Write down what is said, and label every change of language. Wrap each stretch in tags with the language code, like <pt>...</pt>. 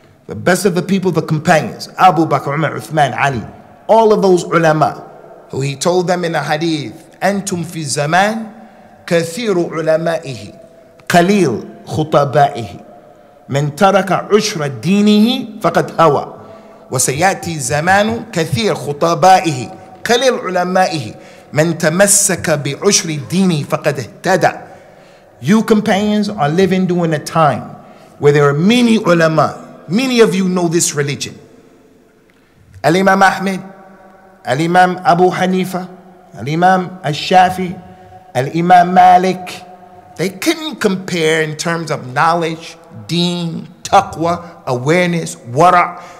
<en>The best of the people, the companions, Abu Bakr, Umar, Uthman, Ali, all of those ulama who he told them in a hadith,</en> <ar>أنتم في الزمان كثير علمائه قليل خطبائه من ترك عشر دينه فقد هوى وسيأتي زمان كثير خطبائه قليل علمائه من تمسك بعشر الدين فقد اهتدى.</ar> <en>You companions are living during a time where there are many ulama. Many of you know this religion. Al-Imam Ahmed, Al-Imam Abu Hanifa, Al-Imam Al-Shafi, Al-Imam Malik. They couldn't compare in terms of knowledge, deen, taqwa, awareness, wara.</en>